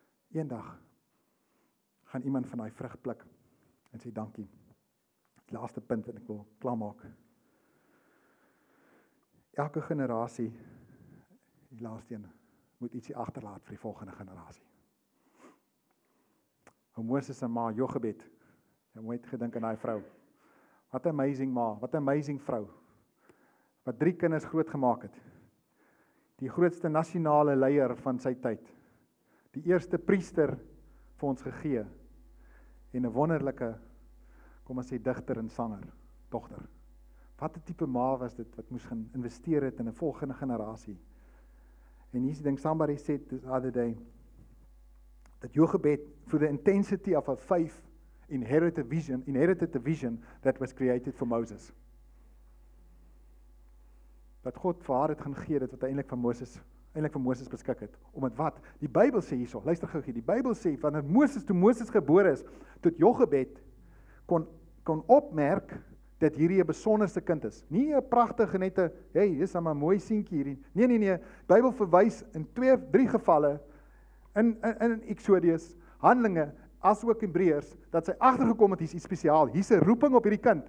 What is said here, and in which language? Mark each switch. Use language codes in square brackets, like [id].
[af] Eendag gaan iemand van daai vrug pluk en sê dankie. Die laaste punt wat ek wil klaarmaak. Elke generasie, die laaste een, moet ietsie agterlaat vir die volgende generasie. Hoe Moses en ma Jochebed, jy moet gedink aan daai vrou. Wat 'n amazing ma, wat 'n amazing vrou. Wat 3 kinders grootgemaak het. Die grootste nasionale leier van sy tyd. Die eerste priester vir ons gegee. En 'n wonderlike, kom ons sê, digter en sanger, dogter. Wat 'n tipe ma was dit wat moes gaan investeer het in 'n volgende generasie. En hier's die ding, [en] somebody said this other day, that Jochebed, for the intensity of a faith, inherited a vision that was created for Moses. [af] Wat God vir haar het gaan gee, dit wat hy eintlik vir Moses beskik het. Omdat wat? Die Bybel sê hierso, luister gou hier, die Bybel sê wanneer Moses gebore is, tot Jochebed kon opmerk dat hierdie 'n besonderse kind is. Nie 'n pragtige nette, hey, dis net 'n mooi seentjie hierdie. Nee, die Bybel verwys in 2-3 gevalle in Exodus, Handelinge, as ook in Hebreërs, dat sy agtergekom het, hier's iets spesiaal, hier's 'n roeping op hierdie kind.